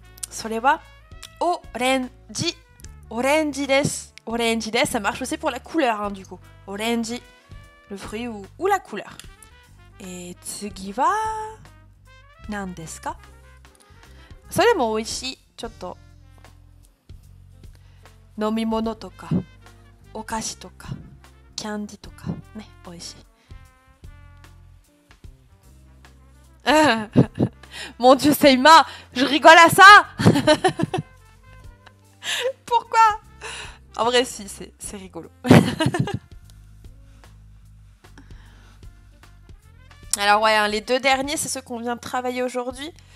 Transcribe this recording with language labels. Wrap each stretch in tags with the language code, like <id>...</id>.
<ja>それはオレンジ、オレンジです。オレンジです。</ja> <fr>ça marche aussi pour la couleur, hein, du coup. オレンジ、le fruit ou la couleur.</fr> <ja>Et 次は何ですか？それも美味しい。ちょっと飲み物とかお菓子とかキャンディとかね、美味しい。</ja> <fr>Mon dieu, Seima, je rigole à ça! Pourquoi? En vrai, si, c'est rigolo. Alors, ouais, hein, les deux derniers, c'est ceux qu'on vient de travailler aujourd'hui.</fr>